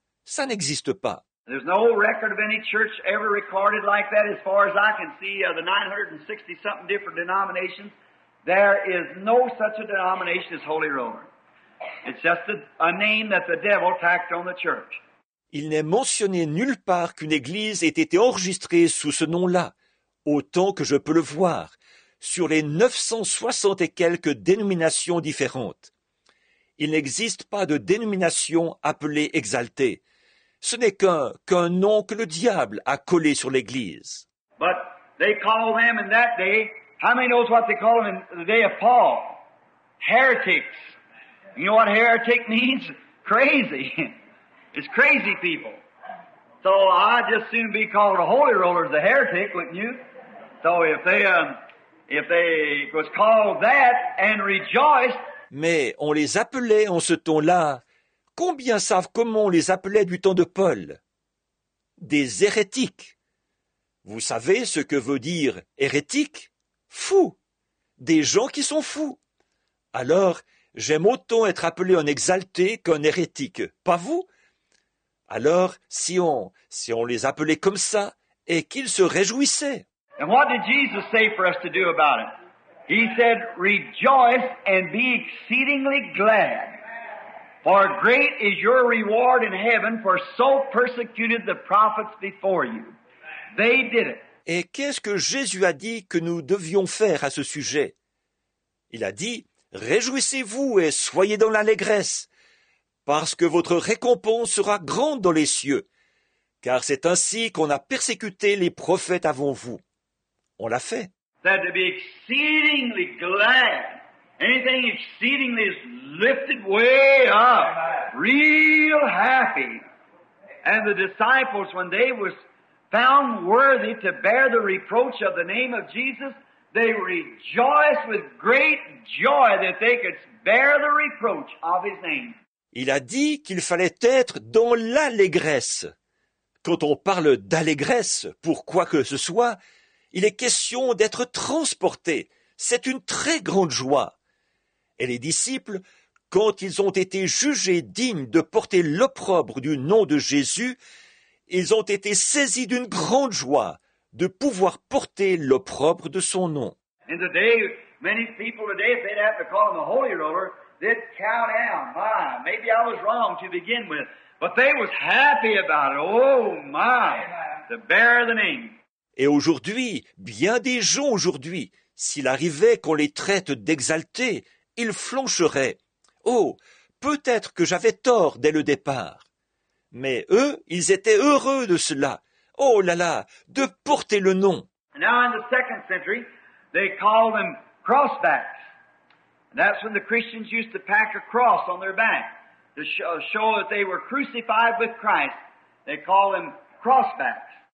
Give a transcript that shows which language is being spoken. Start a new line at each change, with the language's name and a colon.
French: Ça n'existe pas.
English: There's no record of any church ever recorded like that, as far as I can see, the 960-something different denominations. There is no such a denomination as Holy Roman. It's just a name that the devil tacked on the church.
French: Il n'est mentionné nulle part qu'une église ait été enregistrée sous ce nom-là, autant que je peux le voir, sur les 960 et quelques dénominations différentes. Il n'existe pas de dénomination appelée exaltée. Ce n'est qu'un nom que le diable a collé sur l'église.
English: But they call them in that day, how many knows what they call them in the day of Paul? Heretics. You know what heretic means? Crazy. It's crazy people. So I'd just soon be called a holy roller as a heretic, wouldn't you? So if they was called that and rejoiced.
French: Mais on les appelait en ce temps-là. Combien savent comment on les appelait du temps de Paul? Des hérétiques. Vous savez ce que veut dire hérétique? Fou. Des gens qui sont fous. Alors, j'aime autant être appelé un exalté qu'un hérétique, pas vous? Alors, si on les appelait comme ça, et qu'ils se réjouissaient.
English: And what did Jesus say for us to do about it? He said, rejoice and be exceedingly glad. For great is your reward in heaven, for so persecuted the prophets before you. They did it.
French: Et qu'est-ce que Jésus a dit que nous devions faire à ce sujet? Il a dit, réjouissez-vous et soyez dans l'allégresse, parce que votre récompense sera grande dans les cieux, car c'est ainsi qu'on a persécuté les prophètes avant vous. On l'a fait.
English: That to be exceedingly glad. Anything exceedingly is lifted way up, real happy. And the disciples, when they was found worthy to bear the reproach of the name of Jesus, they rejoiced with great joy that they could bear the reproach of his name.
French: Il a dit qu'il fallait être dans l'allégresse. Quand on parle d'allégresse, pour quoi que ce soit, il est question d'être transporté. C'est une très grande joie. Et les disciples, quand ils ont été jugés dignes de porter l'opprobre du nom de Jésus, ils ont été saisis d'une grande joie de pouvoir porter l'opprobre de son nom.
English: In the day, many people today, if they'd have to call him a holy roller, they'd count down. My, maybe I was wrong to begin with, but they was happy about it. Oh my, to bear the name.
French: Et aujourd'hui, bien des gens aujourd'hui, s'il arrivait qu'on les traite d'exaltés, il flancherait. Oh, peut-être que j'avais tort dès le départ. Mais eux, ils étaient heureux de cela. Oh là là, de porter le nom.
English: Now in the second century, they call them crossbacks. And that's when the Christians used to pack a cross on their back to show that they were crucified with Christ. They call them crossbacks.